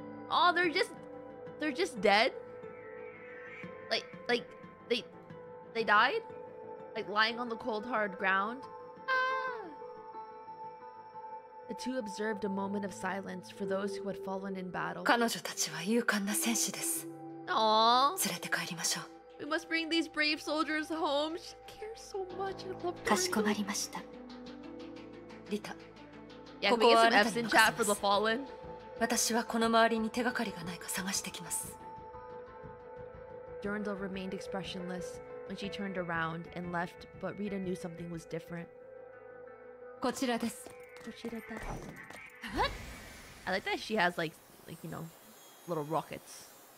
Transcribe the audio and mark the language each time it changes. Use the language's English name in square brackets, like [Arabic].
[English] Aww, they're just dead? Like, they died? Like, lying on the cold, hard ground? The two observed a moment of silence for those who had fallen in battle. [Japanese] 彼女たちは勇敢な戦士です. [English] Aww. [Japanese] 連れて帰りましょう. [English] We must bring these brave soldiers home. She cares so much. I love her. [Japanese] かしこまりました.Rita. [English] Yeah, can we get some Epson chat for the fallen? [Japanese] 私はこの周りに手がかりがないか探してきます. [English] Durandal remained expressionless when she turned around and left, but Rita knew something was different. [Japanese] こちらです. [English] I like that she has like you know, little rockets.